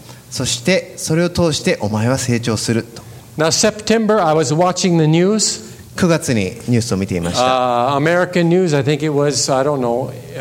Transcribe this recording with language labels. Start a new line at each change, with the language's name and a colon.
Japanese: そしてそれを通してお前は成長すると。
English: Now, September, I was watching the news.
Japanese: 9月にニュースを見ていました。
English: American news, I think it was, I don't know.